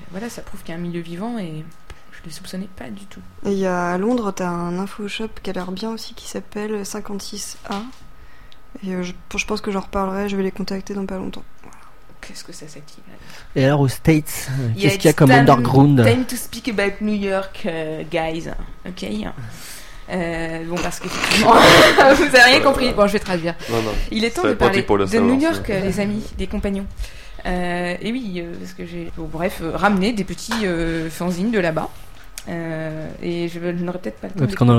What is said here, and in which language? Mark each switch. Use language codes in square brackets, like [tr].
[fr] Voilà, ça prouve qu'il y a un milieu vivant et. Je ne les soupçonnais pas du tout. Et il y a à Londres, tu as un infoshop qui a l'air bien aussi, qui s'appelle 56A. Et je pense que j'en reparlerai, je vais les contacter dans pas longtemps. Voilà. Qu'est-ce que ça s'active là. Et alors aux States, qu'est-ce qu'il y a comme underground? [en] Time to speak about New York, guys. Ok. [fr] Bon, parce que vous n'avez rien compris. Bon, je vais traduire. Non. Il est temps de parler de New York, ça. Les amis, des compagnons. Et oui, parce que j'ai, bon, bref, ramené des petits fanzines de là-bas. Et je n'aurais peut-être pas le temps.